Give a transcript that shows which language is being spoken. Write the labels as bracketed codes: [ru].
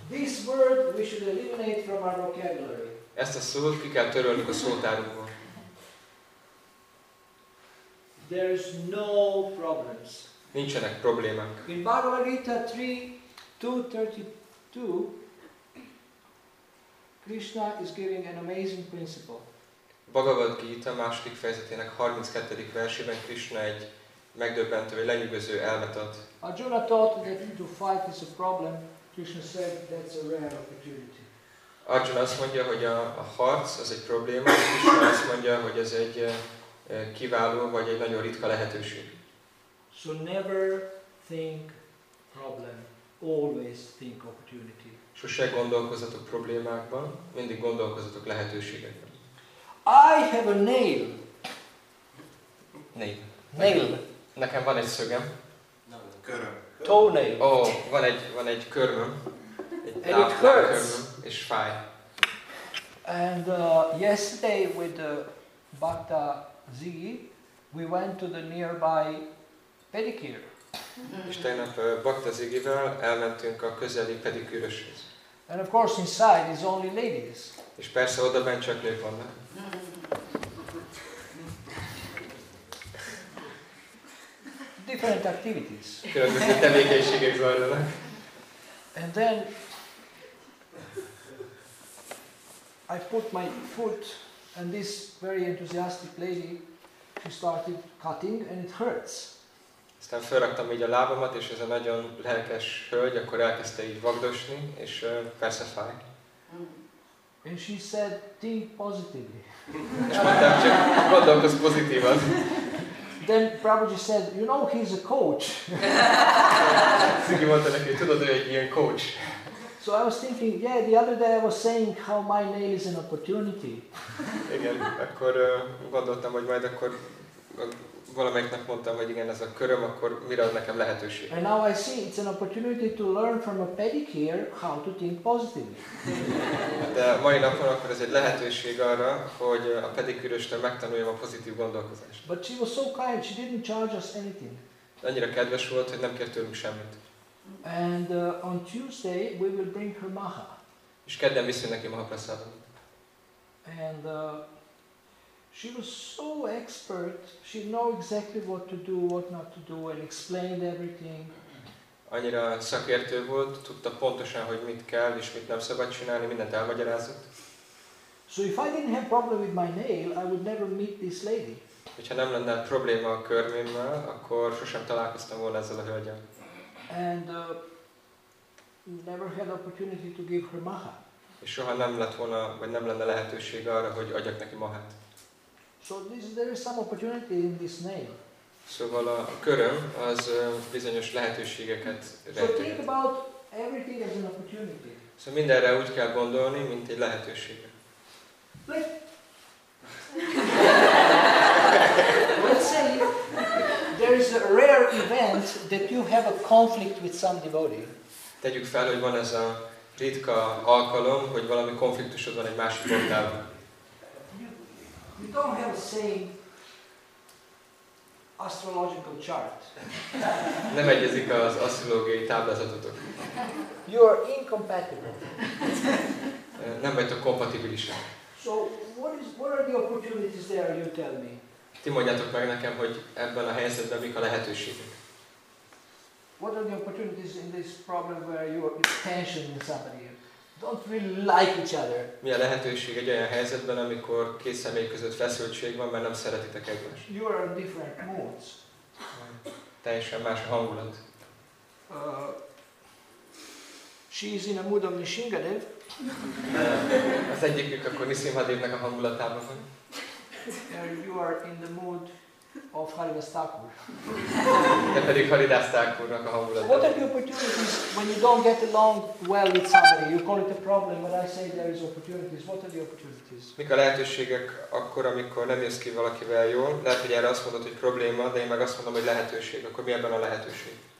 [en] This word we should eliminate from our vocabulary. [hu] Ezt a szót ki kell törölnünk a szótárunkból. [en] There is no problems. [hu] Nincsenek problémák. [en] In Bhagavad Gita 3:2:32, Krishna is giving an amazing principle. [hu] Bhagavad Gita második fejezetének 32. versében Krishna egy megdöbbentő, vagy lenyűgöző elmet ad. [en] Arjuna thought that to fight is a problem. Krishna said that's a rare opportunity. [hu] Arjuna azt mondja, hogy a harc az egy probléma. Krishna azt mondja, hogy ez egy kiváló, vagy egy nagyon ritka lehetőség. [en] So never think problem, always think opportunity. [hu] Sose gondolkozzatok problémákban, mindig gondolkozzatok lehetőségekben. [en] I have a nail. Nail. Nail. [hu] Nekem van egy szögem. Köröm. [en] Toenail. [hu] Ó, oh, van egy köröm. [en] And it hurts. [hu] És fáj. [en] And yesterday with the Bhakta Ziggy, we went to the nearby pedicure. [hu] És tegnap Bhakta Ziggyvel elmentünk a közeli pedikűröshöz. [en] And of course inside is only ladies. [hu] És persze odabent csak nők vannak. [en] Different activities. [hu] Különböző tevékenységek zajlanak. [en] And then I put my foot and this very enthusiastic lady, she started cutting and it hurts. [hu] Aztán felraktam így a lábamat, és ez a nagyon lelkes hölgy, akkor elkezdte így vagdosni, és persze fáj. [en] And she said, think positively. [hu] És mondtam, csak gondolkozz pozitívan. [en] Then Prabhuji said, you know, he's a coach. [hu] Szigi mondta neki, tudod, ő egy ilyen coach. [en] So I was thinking, yeah, the other day I was saying how my nail is an opportunity. [hu] Igen, akkor gondoltam, hogy majd akkor valamelyik nap mondtam, hogy igen, ez a köröm, akkor mire ad nekem lehetőség. [en] And now I see it's an opportunity to learn from a pedicure how to think positively. [hu] De mai napon akkor ez egy lehetőség arra, hogy a pedikűröstől megtanuljam a pozitív gondolkozást. [en] But she was so kind, she didn't charge us anything. [hu] Annyira kedves volt, hogy nem kért tőlünk semmit. [en] And on Tuesday we will bring her maha. [hu] És kedden viszünk neki Mahaprasadot. [en] And she was so expert. She knew exactly what to do, what not to do, and explained everything. [hu] Annyira szakértő volt, tudta pontosan, hogy mit kell és mit nem szabad csinálni, mindent elmagyarázott. [en] So if I didn't have problem with my nail, I would never meet this lady. [hu] Hogyha nem lenne probléma a körmémmel, akkor sosem találkoztam volna ezzel a hölgyel. [en] And never had opportunity to give her maha. [hu] És soha nem lett volna, vagy nem lenne lehetőség arra, hogy adjak neki mahát. [en] So there is some opportunity in this name. [hu] Szóval a köröm az bizonyos lehetőségeket rejtő. [en] So think about everything as an opportunity. [hu] Szóval mindenre úgy kell gondolni, mint egy lehetőségre. [en] Let's say there is a rare event that you have a conflict with some devotee. [hu] Tegyük fel, hogy van ez a ritka alkalom, hogy valami konfliktusod van egy másik bondával. [en] You don't have a saying, astrological chart. [hu] Nem egyezik az asztrológiai táblázatotok. [en] You are incompatible. [hu] Nem vagytok kompatibilisek. [en] So what are the opportunities there, you tell me? [hu] Ti mondjátok meg nekem, hogy ebben a helyzetben mik a lehetőségek. [en] What are the opportunities in this problem where you are tension in somebody? Don't really like each other. [hu] Mi a lehetőség egy olyan helyzetben, amikor két személy között feszültség van, mert nem szeretitek egymást? [en] You are in different moods. [hu] Teljesen más a hangulat. [en] She is in a mood of Nisimhadev. [hu] Az egyikük akkor Nisimhadevnek a hangulatában van. [en] You are in the mood of Haridas Thakur. [hu] De pedig Haridas Thakurnak a hangulatában. [en] What are the opportunities when you don't get along well with somebody? You call it a problem, but I say there is opportunities. What are the opportunities? [hu] Mik a lehetőségek akkor, amikor nem jössz ki valakivel jól? Lehet, hogy erre azt mondod, hogy probléma, de én meg azt mondom, hogy lehetőség. Akkor mi ebben a lehetőség?